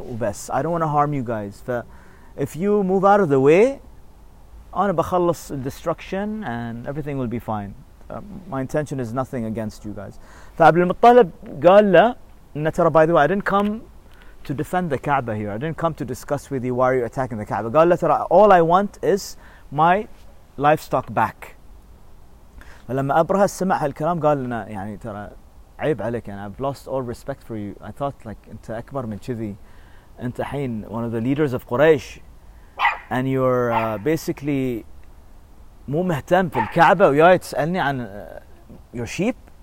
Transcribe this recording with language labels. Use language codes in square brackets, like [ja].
[ar] وبس [en] I don't want to harm you guys. [ar] ف [en] if you move out of the way, [ar] أنا بخلص [en] destruction and everything will be fine. My intention is nothing against you guys. [ar] فعبد المطلب قال له إن ترى [en] by the way I didn't come to defend the Kaaba here. I didn't come to discuss with you why are you attacking the Kaaba. [ar] قال له ترى [en] all I want is my livestock back. [ar] ولما أبرهة سمع هالكلام قال لنا يعني ترى عيب عليك يعني [en] I've lost all respect for you. I thought like [ar] أنت أكبر من كذي. أنت حين [en] one of the leaders of Quraysh [ar] and you're basically مو مهتم في الكعبة وياي تسألني عن [en] your sheep.